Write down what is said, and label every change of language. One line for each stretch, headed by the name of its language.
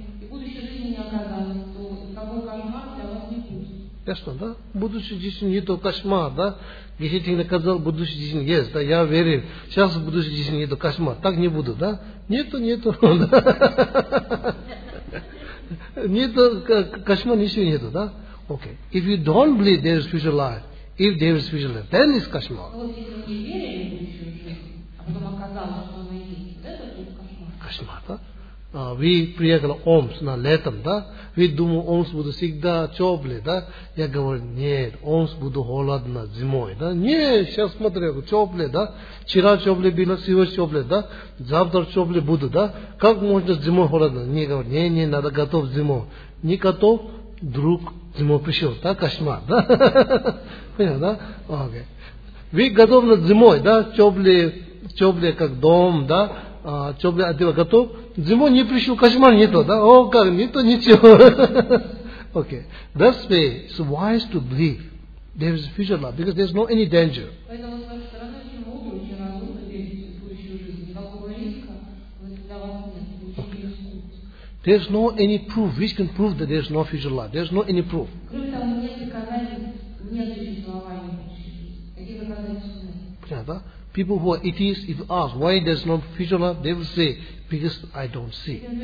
Russian: Будущей жизни не оказалось, то никакой кармы для вас не будет. Ясно, да? Будущий жизнь это кошмар, да? Если ты наказал, будущий жизнь есть, да, я верю. Сейчас в будущий жизнь это кошмар. Так не буду, да? Нету. Нету, кошмар ничего нету, да? Окей.
English: If you don't believe there is future life, if there is future life, then it's кошмар.
Russian: Вот если вы не верили в будущую жизнь, а потом оказалось, что вы видите, это будет кошмар. Кошмар, да? Ви приехали Омс на летом, да? Ви думали, Омс будет всегда теплый, да? Я говорю, нет, Омс будет холодно зимой, да? Нет, сейчас смотрю, теплый, да? Вчера теплый было, сегодня теплый, да? Завтра теплый будет, да? Как можно зимой холодно? Не говорю, не, надо готов зимой. Не готов, вдруг зимой пришел, да? Кошмар, да? Понял, да? Окей. Ви готовы зимой, да? Теплый, как дом, да? Теплый, а ты готов? Зимой не пришел, кошмар не то, да? О, как, не то, ничего. Окей.
English: That's why it's wise to believe there is a future life, because there's no any danger.
Russian: Поэтому, с вашей стороны, очень мудро, очень разумно верить в будущую жизнь.
English: There's no any proof. Which can prove that there's no future life? There's no any proof.
Russian: Кроме того, нет доказательств, нет существования будущей жизни. Какие доказательства?
English: People who are atheists, if asked why there's no future life, they will say, because I don't see.